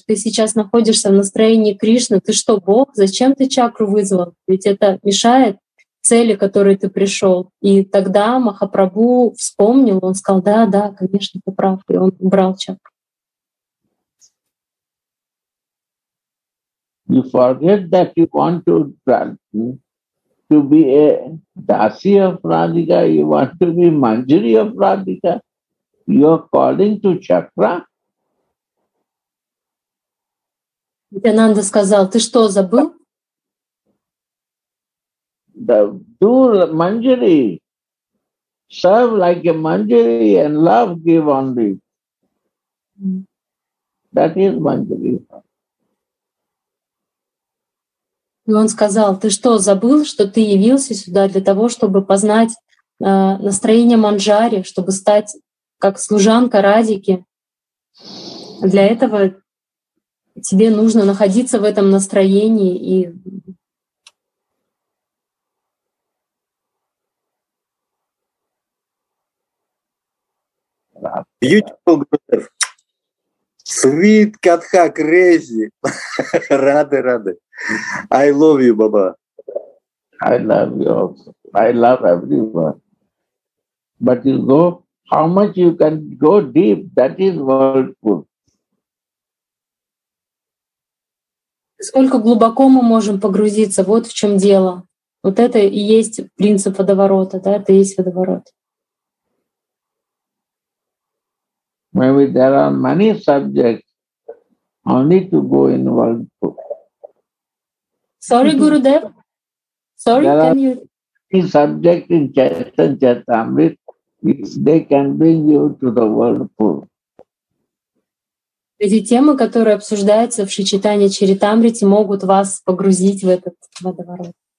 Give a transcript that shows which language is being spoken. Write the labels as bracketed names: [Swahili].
[Russian] Ты сейчас находишься в настроении Кришны, ты что, Бог? Зачем ты чакру вызвал? Ведь это мешает цели, к которой ты пришел. И тогда Махапрабху вспомнил, он сказал, да, да, конечно, ты прав, и он убрал чакру. [English] You forget that you want to be a dasi of Radhika, you want to be manjari of Radhika, you are calling to chakra. [Russian] Нитянанда сказал, ты что, забыл? [English] Do manjari, serve like a manjari and love give only. That is manjari. [Russian] И он сказал, ты что, забыл, что ты явился сюда для того, чтобы познать настроение манджари, чтобы стать как служанка Радики. Для этого тебе нужно находиться в этом настроении и [English] beautiful group. Sweet Katha, crazy. Rade, rade. I love you, Baba. I love you also. I love everyone. But you go, how much you can go deep, that is whirlpool. [Russian] Сколько глубоко мы можем погрузиться, вот в чем дело. Вот это и есть принцип водоворота, да, это и есть водоворот. [English] Maybe there are many subjects, only to go in whirlpool. Sorry, Gurudev. Sorry, there can you? There are subjects in Chaitanya Charitamrita, they can bring you to the whirlpool. [Russian] Эти темы, которые обсуждаются в Шри Чайтанья Чаритамрите, могут вас погрузить в этот водоворот.